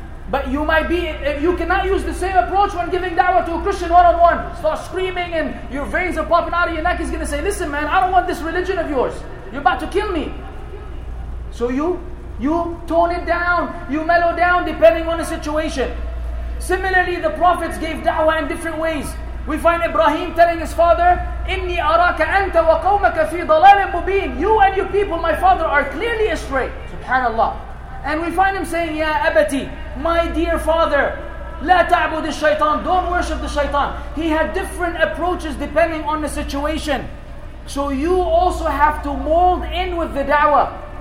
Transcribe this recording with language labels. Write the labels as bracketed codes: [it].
[en] But you might be, you cannot use the same approach when giving da'wah to a Christian one-on-one. Start screaming and your veins are popping out of your neck. He's going to say, listen man, I don't want this religion of yours. You're about to kill me. So you tone it down, you mellow down depending on the situation. Similarly, the prophets gave da'wah in different ways. We find Ibrahim telling his father, [ar] إِنِّي أَرَاكَ أَنْتَ وَقَوْمَكَ فِي ضَلَالٍ مُبِينٍ. [en] You and your people, my father, are clearly astray. Subhanallah. And we find him saying, [ar] يَا أَبَتِي, [en] my dear father, [ar] لَا تَعْبُدِ الشَّيْطَانِ. [en] Don't worship the shaitan. He had different approaches depending on the situation. So you also have to mold in with the da'wah.